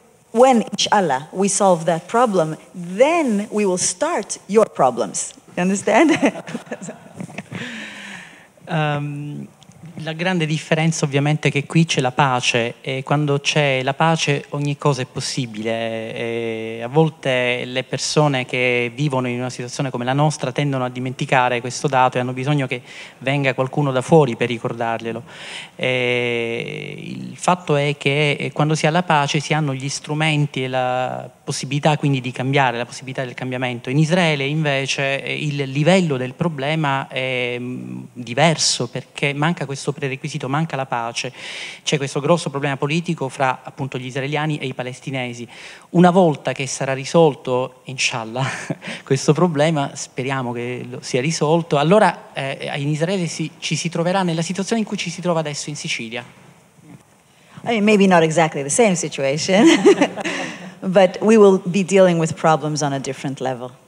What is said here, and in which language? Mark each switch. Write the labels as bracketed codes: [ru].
[en] When inshallah, we solve that problem, then we will start your problems. You understand? [it] La grande differenza ovviamente è che qui c'è la pace, e quando c'è la pace ogni cosa è possibile. E a volte le persone che vivono in una situazione come la nostra tendono a dimenticare questo dato e hanno bisogno che venga qualcuno da fuori per ricordarglielo. E il fatto è che quando si ha la pace si hanno gli strumenti e la possibilità quindi di cambiare, la possibilità del cambiamento. In Israele invece il livello del problema è diverso, perché manca questo prerequisito, manca la pace. C'è questo grosso problema politico fra appunto gli israeliani e i palestinesi. Una volta che sarà risolto, inshallah, questo problema, speriamo che sia risolto, allora in Israele ci si troverà nella situazione in cui ci si trova adesso in Sicilia. [en] I mean, maybe not exactly the same situation, but we will be dealing with problems on a different level.